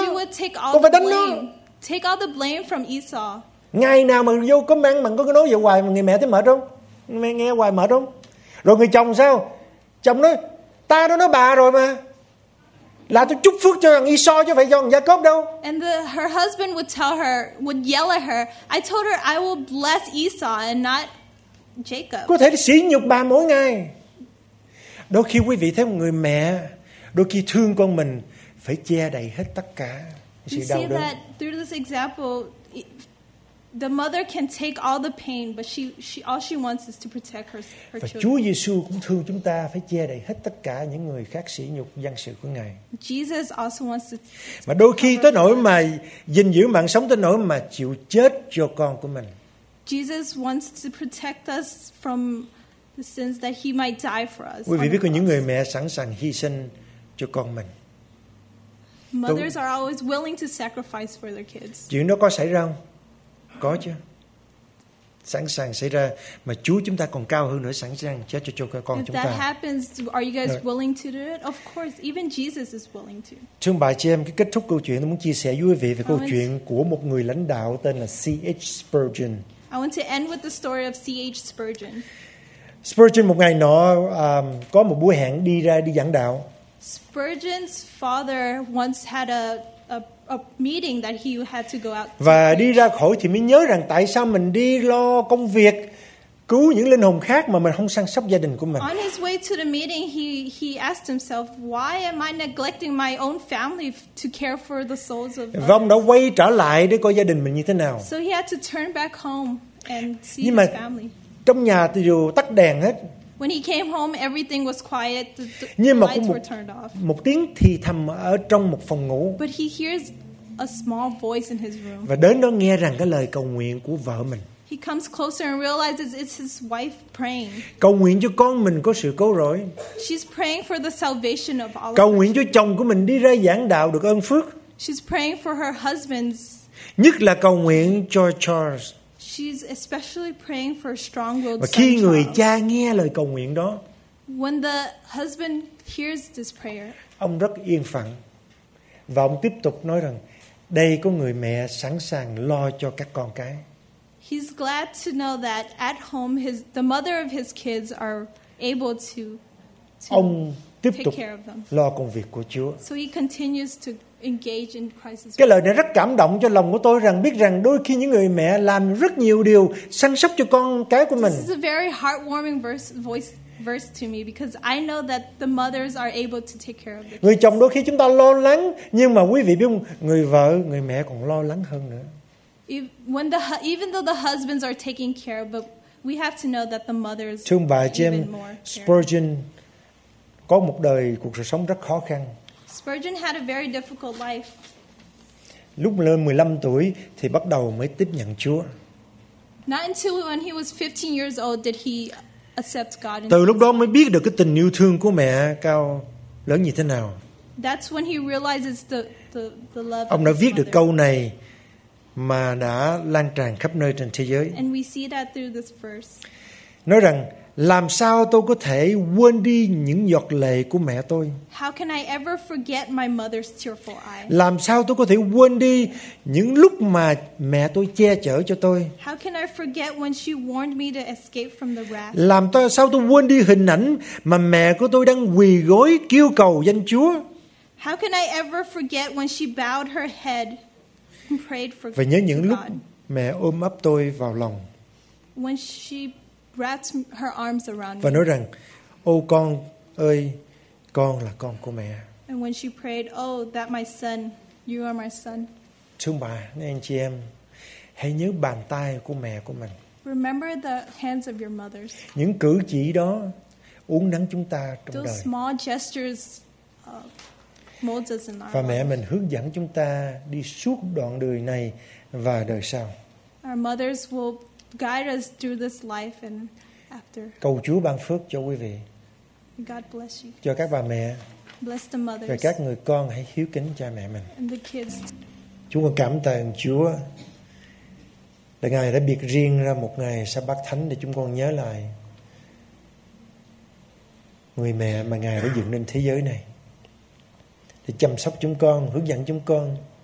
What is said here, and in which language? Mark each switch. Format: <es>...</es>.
<en>She would take all</en> <vi>con phải đánh</vi> <en>blame.</en> <vi>Nó.</vi> <en>Take all the blame from Esau.</en> <vi>Ngày nào mà vô có mang mà có nói vậy hoài, người mẹ thấy mệt không? Mẹ nghe hoài mệt không? Rồi người chồng sao? Chồng nói, ta đó nói bà rồi mà. Là tôi chúc phước cho thằng Esau chứ phải cho thằng Jacob đâu.</vi> <en>And her husband would tell her, would yell at her, I told her I will bless Esau and not Jacob.</en> <vi>Có thể sỉ nhục bà mỗi ngày. Đôi khi quý vị thấy một người mẹ, đôi khi thương con mình phải che đậy hết tất cả sự đau đớn.</vi> <en>You see that through this example, the mother can take all the pain, but she all she wants is to protect her children.</en> <vi>Và Chúa Giêsu cũng thương chúng ta phải che đậy hết tất cả những người khác sỉ nhục danh sự của Ngài.</vi> <en>Jesus also wants to.</en> <vi>Mà đôi khi tới nỗi mà gìn giữ mạng sống, tới nỗi mà chịu chết cho con của mình.</vi> <en>Jesus wants to protect us from the sins that he might die for us.</en> <vi>Quý vị biết có những người mẹ sẵn sàng hy sinh cho con mình.</vi> <en>Mothers are always willing to sacrifice for their kids.</en> <vi>Chuyện đó có xảy ra không? Có chứ. Sẵn sàng xảy ra mà Chúa chúng ta còn cao hơn nữa, sẵn sàng chết cho con chúng ta.</vi> <en>If that happens, are you guys willing to do it? Of course, even Jesus is willing to.</en> <vi>Thưa bà chị em, cái kết thúc câu chuyện tôi muốn chia sẻ với quý vị về câu chuyện của một người lãnh đạo tên là C.H.</vi> <en>Spurgeon. I want to end with the story of C.H. Spurgeon.</en> <vi>Spurgeon một ngày nọ có một buổi hẹn đi ra đi giảng đạo.</vi> <en>Spurgeon's father once had a meeting that he had to go out.</en> <vi>Và đi ra khỏi thì mới nhớ rằng tại sao mình đi lo công việc, cứu những linh hồn khác mà mình không săn sóc gia đình của mình.</vi> <en>On his way to the meeting, he asked himself, why am I neglecting my own family to care for the souls of others?</en> <vi>Và ông đã quay trở lại để coi gia đình mình như thế nào.</vi> <en>So he had to turn back home and see his family.</en> <vi>Nhưng mà trong nhà thì dù tắt đèn hết.</vi> <en>When he came home, everything was quiet. The lights were turned off.</en> <vi>Một tiếng thì thầm ở trong một phòng ngủ.</vi> <en>But he hears a small voice in his room.</en> <vi>Và đến đó nghe rằng cái lời cầu nguyện của vợ mình.</vi> <en>He comes closer and realizes it's his wife praying.</en> <vi>Cầu nguyện cho con mình có sự cứu rỗi.</vi> <en>She's praying for the salvation of all.</en> <vi>Cầu nguyện cho chồng của mình đi ra giảng đạo được ơn phước.</vi> <en>She's praying for her husband's.</en> <vi>Nhất là cầu nguyện cho Charles.</vi> <en>She's especially praying for a strong-willed son.</en> <vi>Và khi người cha nghe lời cầu nguyện đó,</vi> <en>when the husband hears this prayer,</en> <vi>ông rất yên phận và ông tiếp tục nói rằng đây có người mẹ sẵn sàng lo cho các con cái.</vi> <en>He's glad to know that at home his the mother of his kids are able to</en> <vi>ông tiếp tục lo công việc của Chúa.</vi> <en>So he continues to engage in Christ's.</en> <vi>Cái lời này rất cảm động cho lòng của tôi rằng biết rằng đôi khi những người mẹ làm rất nhiều điều săn sóc cho con cái của mình.</vi> <en>This is a very heartwarming verse to me because I know that the mothers are able to take care of the kids.</en> <vi>Người chồng đôi khi chúng ta lo lắng nhưng mà quý vị biết không, người vợ, người mẹ còn lo lắng hơn nữa.</vi> <en>When the even though the husbands are taking care, but we have to know that the mothers.</en> <vi>Thương bà Jim Spurgeon có một đời cuộc sống rất khó khăn.</vi> <en>Spurgeon had a very difficult life.</en> <vi>Lúc lên 15 tuổi thì bắt đầu mới tiếp nhận Chúa.</vi> <en>Not until when he was 15 years old did he accept God.</en> <vi>Từ lúc đó mới biết được cái tình yêu thương của mẹ cao lớn như thế nào.</vi> <en>That's when he realizes the love.</en> <vi>Ông đã viết được câu này mà đã lan tràn khắp nơi trên thế giới.</vi> <en>And we see that through this verse.</en> <vi>Nói rằng làm sao tôi có thể quên đi những giọt lệ của mẹ tôi?</vi> <en>How can I ever forget my mother's tearful eye?</en> <vi>Làm sao tôi có thể quên đi những lúc mà mẹ tôi che chở cho tôi?</vi> <en>How can I forget when she warned me to escape from the wrath?</en> <vi>Làm sao tôi quên đi hình ảnh mà mẹ của tôi đang quỳ gối kêu cầu danh Chúa?</vi> <en>How can I ever forget when she bowed her head and prayed for God?</en> <vi>Và nhớ những lúc mẹ ôm ấp tôi vào lòng.</vi> <en>When she wrapped her arms around me.</en> <vi>Và nói rằng, ô con ơi, con là con của mẹ.</vi> <en>And when she prayed, oh, that my son, you are my son.</en> <vi>Thương bà, anh chị em, hãy nhớ bàn tay của mẹ của mình.</vi> <en>Remember the hands of your mothers.</en> <vi>Những cử chỉ đó uống nắng chúng ta trong</vi> <en>those Those small gestures mold us in our</en> <vi>và mẹ mình hướng dẫn chúng ta đi suốt đoạn đời này và đời sau.</vi> <en>Our mothers will guide us through this life and after.</en> <vi>Cầu Chúa ban phước cho quý vị.</vi> <en>God bless you.</en> <vi>Cho các bà mẹ.</vi> <en>Bless the mothers.</en> <vi>Và các người con hãy hiếu kính cha mẹ mình.</vi> <en>And the kids.</en> <vi>Chúng con cảm tạ Chúa. Là Ngài đã biệt riêng ra một ngày Sa-bát thánh để chúng con nhớ lại người mẹ mà Ngài đã dựng nên thế giới này để chăm sóc chúng con, hướng dẫn chúng con.</vi>